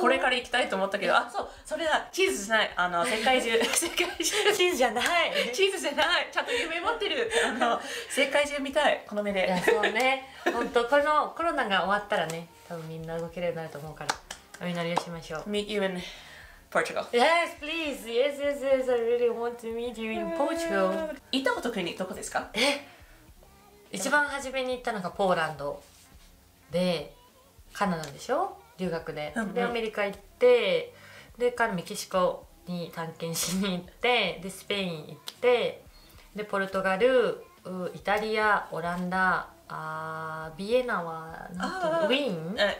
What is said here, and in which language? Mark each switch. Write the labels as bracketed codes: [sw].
[ja] これから行きたいと思ったけど、あそうそれだ、チーズじゃない、あの世界中世界中チーズじゃない、チーズじゃない、ちゃんと夢持ってる、あの世界中見たいこの目で。いやそうね、ほんとこのコロナが終わったらね多分みんな動けるようになると思うからお祈りをしましょう。 [en] Meet you in Portugal. Yes, please. Yes, yes, yes. I really want to meet you in Portugal. [ja] 行ったこと国どこですか？一番初めに行ったのがポーランドで、カナダでしょ？留学で。で、アメリカ行って、で、からメキシコに探検しに行って、で、スペイン行って、で、ポルトガル、イタリア、オランダ、あビエナはなんとウィーン？